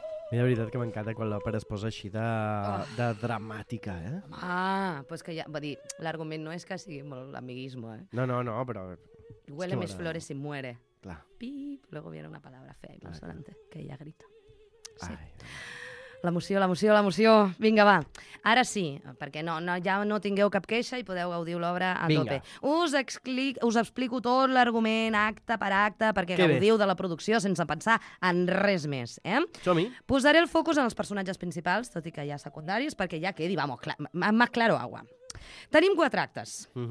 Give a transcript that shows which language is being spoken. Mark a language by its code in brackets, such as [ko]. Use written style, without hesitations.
[ca] Mira, la veritat que m'encanta quan l'òpera es posa així de dramàtica, Pues que ja, va dir, l'argument no és que sigui molt l'amiguisme, No, però... [es] Huele mis flores y muere. [ca] Clar. [es] Pip, luego viene una palabra fea y más adelante, que ella grita. [ca] L'emoció. Vinga, va. Ara sí, perquè no, ja no tingueu cap queixa i podeu gaudir l'obra a tope. Us explico tot l'argument acte per acte perquè gaudiu de la producció sense pensar en res més. Som-hi. Posaré el focus en els personatges principals, tot i que hi ha secundaris, perquè ja quedi, [es] vamos, más claro agua. [ca] Tenim quatre actes.